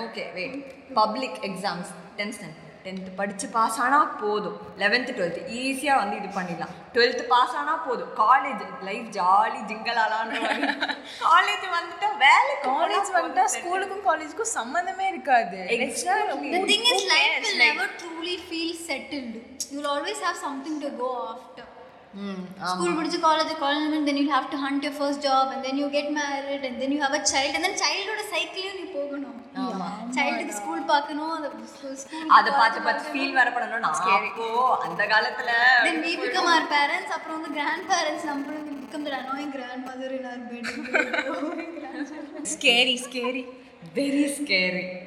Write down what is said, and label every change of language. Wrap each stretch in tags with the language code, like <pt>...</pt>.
<ta>Okay wait, public exams 10th standard, 10th படித்து pass ஆனால் போதும், 11th 12th ஈஸியாக வந்து இது பண்ணிடலாம், 12th பாஸ் ஆனால் போதும், காலேஜ் லைஃப் ஜாலி ஜிங்கலாலான்னு காலேஜ் வந்துட்டா வேலை, காலேஜ் வந்துட்டா ஸ்கூலுக்கும் காலேஜுக்கும் சம்மந்தமே இருக்காது.</ta> <en>Exactly, the thing is life will never truly feel settled, you will always have something to go after. School</en> <ta>முடிச்சு</ta> <en>college, college and then you have to hunt your first job and then you get married and then you have a child and then childhood cycle</en> <ta>நீ போகணும். ஆமா, சைல்டுக்கு school பார்க்கணும், அந்த school அதை பார்த்து பார்த்து feel வரப்படணும். நான் ஓ அந்த காலத்தில்</ta> <en>then we become our parents,</en> <ta>அப்புறம் வந்து</ta> <en>Grandparents, அப்புறம் we become the annoying grandmother in our bed. Scary, scary, very scary.</en>